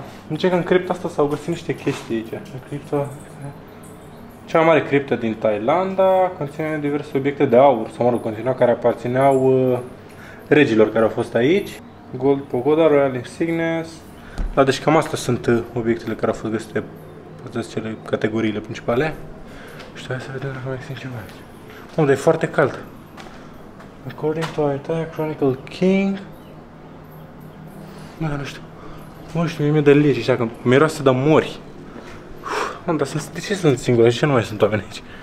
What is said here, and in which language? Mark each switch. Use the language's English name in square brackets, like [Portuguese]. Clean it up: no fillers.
[Romanian] Zice că în cripta asta s-au găsit niște chestii aici. În cripta... Cea mai mare criptă din Thailanda, conține diverse obiecte de aur, sau mă rog, conținea, care aparțineau regilor care au fost aici. [English] Gold pogoda, royal insignes. [Romanian] Da, deci cam astea sunt obiectele care au fost găsite pe cele categoriile principale. Și hai să vedem dacă mai există ceva. Unde e foarte cald. [English] According to Ayutthaya Chronicle King. [Romanian] Da, nu știu. Nu știu, mie mi-e de lege, știa că miroase de mori. Uf, dar de ce sunt singur? De ce nu mai sunt oameni aici?